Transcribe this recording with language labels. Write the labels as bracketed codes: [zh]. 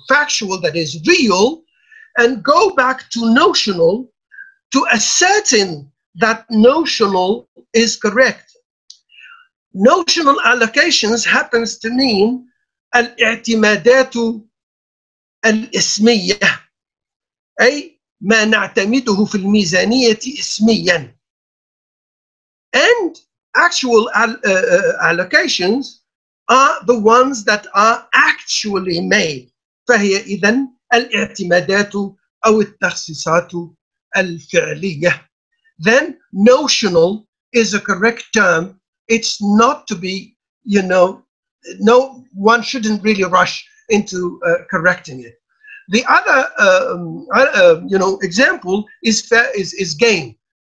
[en] factual, that is real, and go back to notional to ascertain that notional is correct. Notional allocations happens to mean [ar] الاعتمادات الاسمية أي ما نعتمده في الميزانية اسميا. [en] And actual allocations are the ones that are actually made. [ar] فهي إذن الاعتمادات أو التخصيصات الفعلية. [en] Then notional is a correct term. It's not to be, you know, no, one shouldn't really rush into correcting it. The other, you know, example is fair, is game.